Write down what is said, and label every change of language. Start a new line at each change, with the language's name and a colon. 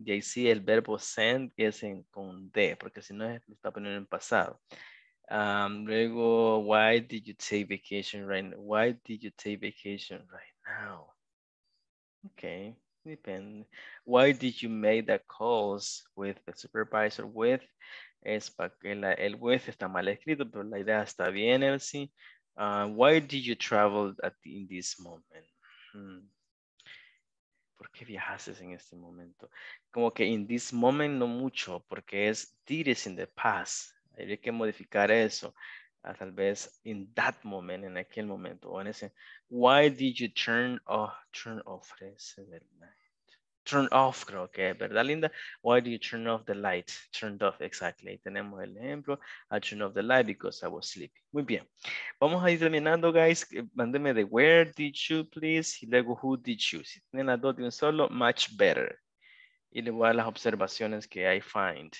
Spanish: Y ahí sí, el verbo send es en con D, porque si no lo está poniendo en pasado.
English: Luego, why did you take vacation right now? Why did you take vacation right now? Okay, depend. Why did you make the calls with the supervisor?
Spanish: With es para que la, el with está mal escrito, pero la idea está bien, Elsie.
English: Why did you travel in this moment?
Spanish: ¿Por qué viajaste en este momento? Como que
English: in this moment
Spanish: no mucho, porque es
English: did is in the past.
Spanish: Hay que modificar eso, tal vez
English: in that moment,
Spanish: en aquel momento, o en ese.
English: Why did you turn off the light? Turn off,
Spanish: creo que es verdad,
English: Linda. Why did you turn off the light? Turned off, exactly.
Spanish: Ahí tenemos el ejemplo.
English: I turned off the light because I was sleeping.
Spanish: Muy bien. Vamos a ir terminando,
English: guys.
Spanish: Mándeme de
English: where did you, please,
Spanish: y luego
English: who did you.
Spanish: Si tienen las dos de un solo,
English: much better.
Spanish: Y le voy a las observaciones que
English: I find.